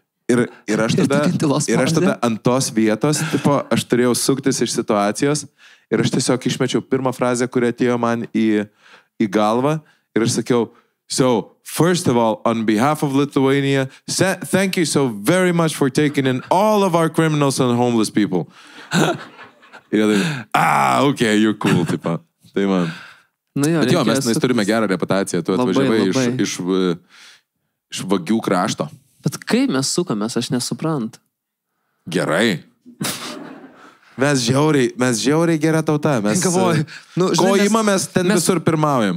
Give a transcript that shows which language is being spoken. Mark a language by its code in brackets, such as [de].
[lt] Ir aš tada ant tos vietos, tipo, aš turėjau suktis iš situacijos ir aš tiesiog išmečiau pirmą frazę, kuri atėjo man į galvą ir aš sakiau, [en] so, first of all, on behalf of Lithuania, thank you so very much for taking in all of our criminals and homeless people. [lt] Ir taip, [en] okay, you're cool, [lt] tipo, tai man. Nu jo, bet jo, mes turime gerą reputaciją, tu atvažiavai iš vagių krašto. Bet kaip mes sukamės, aš nesuprantu. Gerai. Mes žiauriai gera tauta. Mes, nu, žinai, ko įmamės, ten mes, visur pirmaujam.